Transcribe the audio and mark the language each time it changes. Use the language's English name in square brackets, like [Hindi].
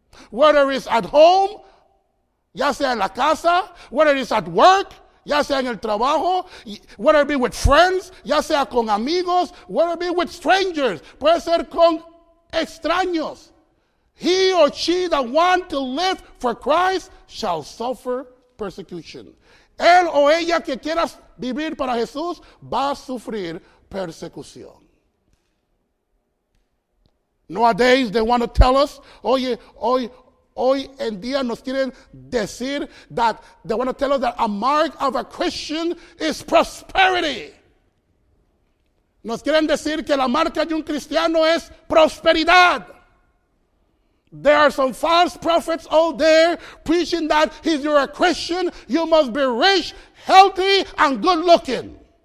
[English] Whether it's at home, [Spanish] ya sea en la casa, [English] whether it's at work, [Spanish] ya sea en el trabajo, [English] whether it be with friends, [Spanish] ya sea con amigos, [English] whether it be with strangers, [Spanish] puede ser con extraños. [English] He or she that want to live for Christ shall suffer persecution. [Spanish] Él o ella que quiera vivir para Jesús va a sufrir persecución. [English] Nowadays, they want to tell us, [Spanish] oye, hoy en día nos quieren decir [English] that, they want to tell us that a mark of a Christian is prosperity. [Spanish] Nos quieren decir que la marca de un cristiano es prosperidad. [English] There are some false prophets out there preaching that if you're a Christian, you must be rich, healthy, and good looking.